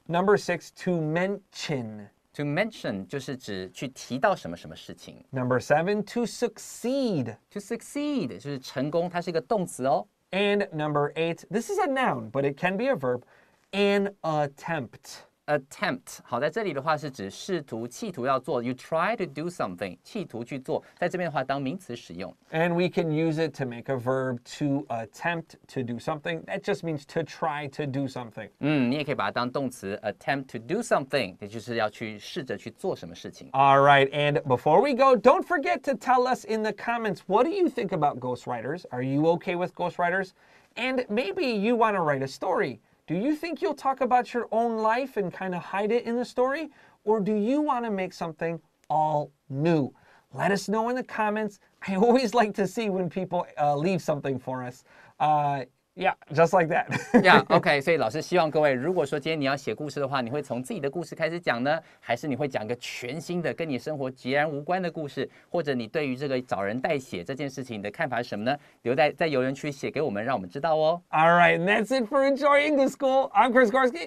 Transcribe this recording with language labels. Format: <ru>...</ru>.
<en>Number six, to mention.</en> <zh>To mention 就是指去提到什么什么事情。</zh> <en>Number seven, to succeed.</en> <zh>To succeed 就是成功，它是一个动词哦。</zh> <en>And number eight, this is a noun, but it can be a verb, an attempt. Attempt.</en> <zh>好，在这里的话是指试图、企图要做。</zh> <en>You try to do something,</en> <zh>企图去做。在这边的话当名词使用。</zh> <en>And we can use it to make a verb, to attempt to do something. That just means to try to do something.</en> <zh>你也可以把它当动词</zh> <en>attempt to do something,</en> <zh>也就是要去试着去做什么事情。</zh> <en>All right, and before we go, don't forget to tell us in the comments, what do you think about ghostwriters? Are you okay with ghostwriters? And maybe you want to write a story. Do you think you'll talk about your own life and kind of hide it in the story? Or do you want to make something all new? Let us know in the comments. I always like to see when people leave something for us. Yeah, just like that. Yeah, okay.</en> <zh>所以老师希望各位，如果说今天你要写故事的话，你会从自己的故事开始讲呢？还是你会讲个全新的跟你生活截然无关的故事？或者你对于这个找人代写这件事情你的看法是什么呢？留在留言区写给我们，让我们知道哦。</zh> <en>All right, and that's it for Enjoy English School. I'm Chris Gorski.</en>